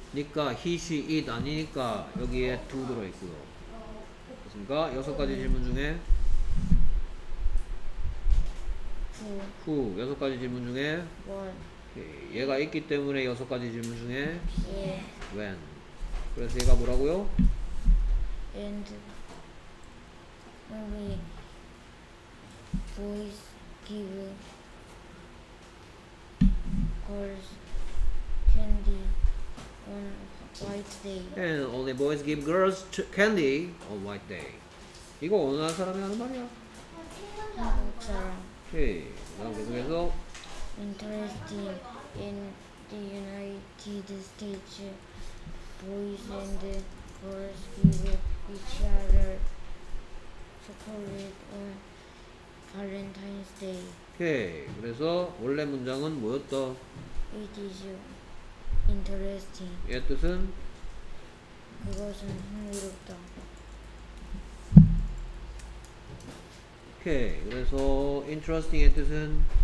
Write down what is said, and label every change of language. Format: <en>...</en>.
<ko>니까 he, she, it 아니니까 여기에 두 들어있고요. 그니까 여섯 가지 질문 중에 후 여섯 가지 질문 중에 원 얘가 있기 때문에 여섯 가지 질문 중에</ko> <en>yeah.</en> <ko>when 그래서 얘가 뭐라고요?</ko> <en>And only boys give girls candy on white day. And only boys give girls candy on white day.</en> <ko>이거 어느 나라 사람이 하는 말이야? 한국 사람. 오케이. 그럼 계속해서</ko> <en>Interesting in the United States boys and girls give each other chocolate on Valentine's Day.</en> <ko>오케이. 그래서 원래 문장은 뭐였어?</ko> <en>It is interesting.</en> <ko>얘 뜻은? 그것은 흥미롭다. 오케이. 그래서 interesting의 뜻은?</ko>